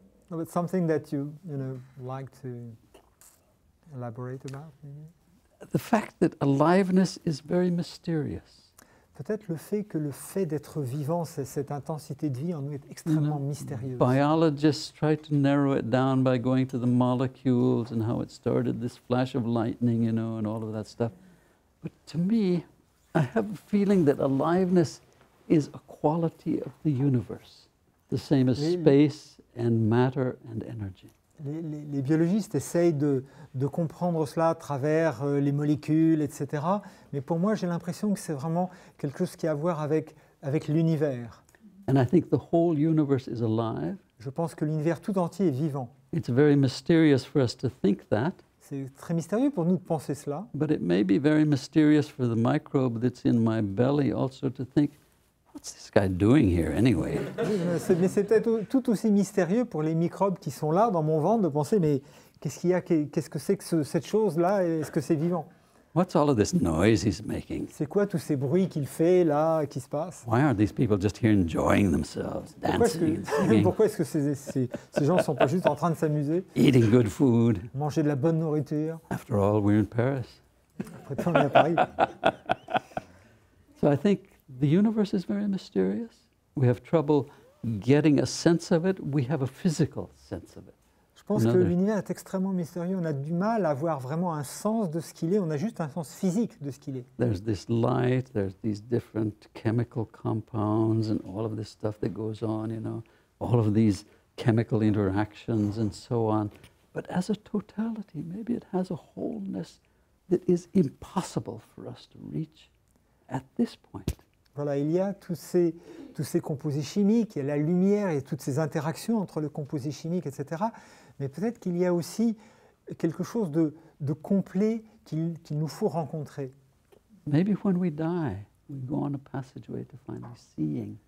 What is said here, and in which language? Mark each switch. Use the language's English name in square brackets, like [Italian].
[English] No, but something that you know like to elaborate about, maybe? The fact that aliveness is very mysterious. [French] Peut-être le fait d'être vivant, c'est cette intensité de vie en nous est extrêmement mystérieuse. [English] Biologists try to narrow it down by going to the molecules and how it started, this flash of lightning, you know, and all of that stuff. But to me, I have a feeling that aliveness is a quality of the universe, the same as space and matter and energy. [French] Les biologistes essayent de comprendre cela à travers les molécules, etc. Mais pour moi, j'ai l'impression que c'est vraiment quelque chose qui a à voir avec l'univers. [English] And I think the whole universe is alive. [French] Je pense que l'univers tout entier est vivant. [English] It's very mysterious for us to think that. [French] C'est très mystérieux pour nous de penser cela. [English] But it may be very mysterious for the microbe that's in my belly also to think, what's this guy doing here anyway? [French] Mais c'est peut-être tout aussi mystérieux pour les microbes qui sont là dans mon ventre de penser, mais qu'est-ce qu'il y a, qu'est-ce que c'est que cette chose-là, est-ce que c'est vivant? [English] What's all of this noise he's making? [French] C'est quoi tous ces bruits qu'il fait là, qui se passent? [English] Why aren't these people just here enjoying themselves, dancing, singing? [French] Pourquoi est-ce que ces gens sont pas juste en train de s'amuser? [English] Eating good food. [French] Manger de la bonne nourriture. [English] After all, we're in Paris. [French] Après tout, on est à Paris. [English] So I think the universe is very mysterious. We have trouble getting a sense of it. We have a physical sense of it. [French] Je pense que l'univers est extrêmement mystérieux. On a du mal à avoir vraiment un sens de ce qu'il est. On a juste un sens physique de ce qu'il est. [English] There's this light, there's these different chemical compounds and all of this stuff that goes on, you know, all of these chemical interactions and so on. But as a totality, maybe it has a wholeness that is impossible for us to reach at this point. [French] Voilà, il y a tous ces composés chimiques, il y a la lumière et toutes ces interactions entre le composé chimique, etc. Mais peut-être qu'il y a aussi quelque chose de complet qu'il nous faut rencontrer. [English] Maybe when we die, we go on a passageway to finally seeing.